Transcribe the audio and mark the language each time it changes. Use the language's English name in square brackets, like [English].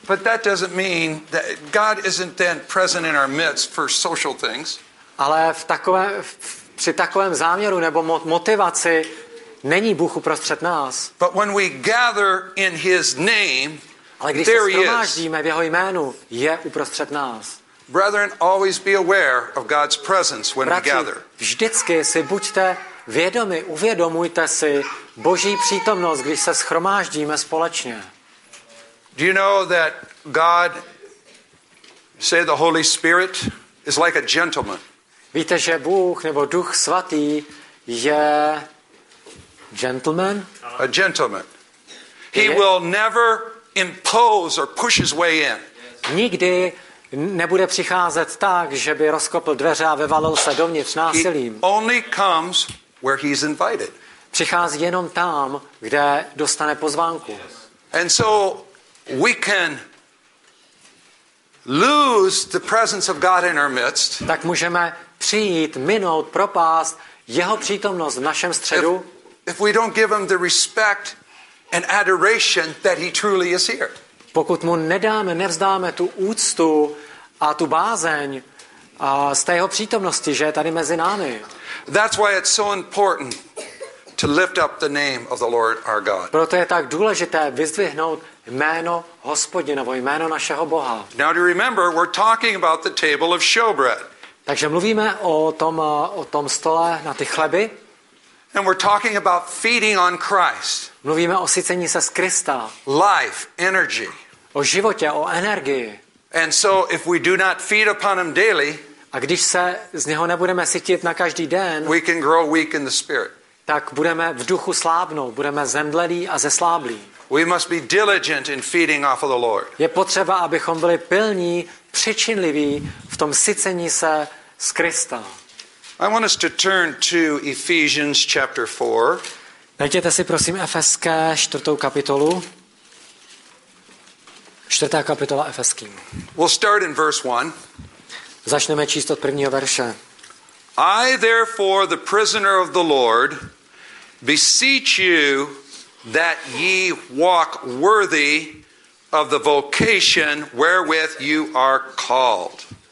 [English] But that doesn't mean that God isn't then present in our midst for social things. [Czech] Ale v takovém, při takovém záměru nebo motivaci není Bůh uprostřed nás. [English] But when we gather in his name, [Czech] ale když se shromáždíme v jeho jménu, je uprostřed nás. [English] Brethren, always be aware of God's presence when [Czech] Bratři, [English] we gather. [Czech] Vždycky si buďte vědomi, uvědomujte si Boží přítomnost, když se shromáždíme společně. [English] Do you know that God, say the Holy Spirit, is like a gentleman? [Czech] Víte, že Bůh nebo Duch svatý je gentleman? [English] A gentleman. He will never impose or push his way in. [Czech] Nikdy nebude přicházet tak, že by rozkopl dveře a vyvalil se dovnitř násilím. [English] He only comes where he's invited. [Czech] Přichází jenom tam, kde dostane pozvánku. [English] And so we can lose the presence of God in our midst. [Czech] Tak můžeme přijít, minout, propást jeho přítomnost v našem středu. [English] If we don't give him the respect and adoration that he truly is here. [Czech] Pokud mu nedáme, nevzdáme tu úctu a tu bázeň z té jeho přítomnosti, že je tady mezi námi. [English] That's why it's so important to lift up the name of the Lord our God. [Czech] Proto je tak důležité vyzdvihnout jméno Hospodinovo, jméno našeho Boha. [English] Now to remember, we're talking about the table of showbread. [Czech] Takže mluvíme o tom stole na ty chleby. [English] And we're talking about feeding on Christ. [Czech] Mluvíme o sycení se z Krista. [English] Life, energy. [Czech] O životě, o energii. [English] And so if we do not feed upon him daily, [Czech] a když se z něho nebudeme sytit na každý den, [English] we can grow weak in the spirit. [Czech] Tak budeme v duchu slábnout, budeme zemdlelí a zesláblí. [English] We must be diligent in feeding off of the Lord. [Czech] Je potřeba, abychom byli pilní, přičinliví v tom sycení se z Krista. [English] I want us to turn to Ephesians chapter 4. [Czech] Najděte si prosím Efeské 4. kapitolu. 4. kapitola Efeským. [English] We'll start in verse 1. [Czech] Začneme číst od prvního verše. [English] I therefore the prisoner of the Lord beseech you that ye walk worthy of the vocation wherewith you are called.